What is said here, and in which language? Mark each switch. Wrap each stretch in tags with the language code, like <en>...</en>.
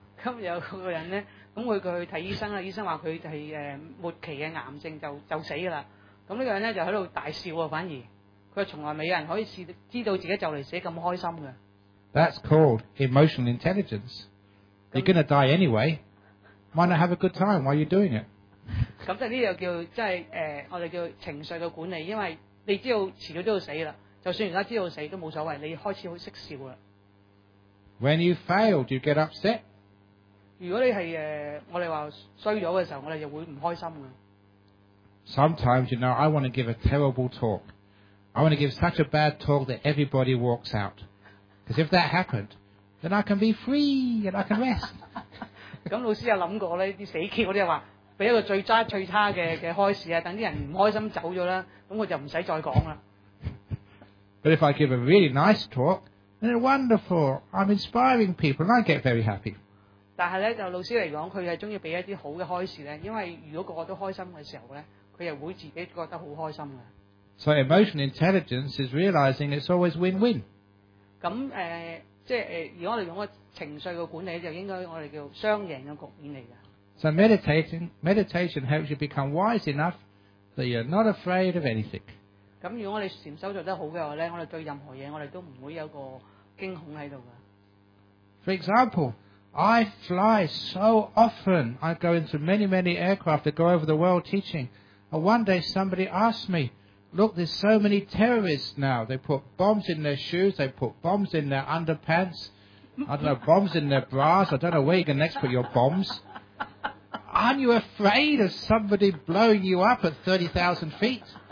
<yue>咁有個人咧。咁佢去睇醫生啦，醫生話佢係末期嘅癌症就死㗎啦。咁呢個人咧就喺度大笑啊，反而佢從來未有人可以知道自己就嚟死咁開心嘅。</yue> <en>That's called emotional intelligence. You're gonna die anyway. Why not have a good time while you're doing it?</en> <yue>咁就呢個叫即係我哋叫情緒嘅管理，因為你知道遲早都要死啦，就算而家知道死都冇所謂，你開始好識笑啦。</yue> <en>When you failed, you get upset.</en> <yue>如果你係我哋話衰咗嘅時候，我哋就會唔開心嘅。</yue> <en>Sometimes you know I want to give a terrible talk. I want to give such a bad talk that everybody walks out. Because if that happened, then I can be free and I can rest.</en> <yue>咁老師有諗過咧，啲死竅嗰啲話，俾一個最差嘅開始啊，等啲人唔開心走咗啦，咁我就唔使再講啦。</yue> <en>But if I give a really nice talk, then it's wonderful. I'm inspiring people, and I get very happy.</en> <yue>但係咧，就老師嚟講，佢係中意俾一啲好嘅開示咧，因為如果個個都開心嘅時候咧，佢又會自己覺得好開心嘅。</yue> <en>So emotional intelligence is realizing it's always win-win.</en> <yue>咁即係如果我哋用個情緒嘅管理，就應該我哋叫雙贏嘅局面嚟嘅。</yue> <en>So meditation helps you become wise enough that you're not afraid of anything.</en> <yue>咁如果我哋禅修做得好嘅話咧，我哋對任何嘢我哋都唔會有個驚恐喺度嘅。</yue> <en>For example,I fly so often. I go into many, many aircraft that go over the world teaching. And one day somebody asked me, look, there's so many terrorists now. They put bombs in their shoes. They put bombs in their underpants. I don't know, bombs in their bras. I don't know where you can next put your bombs. Aren't you afraid of somebody blowing you up at 30,000 feet?</en>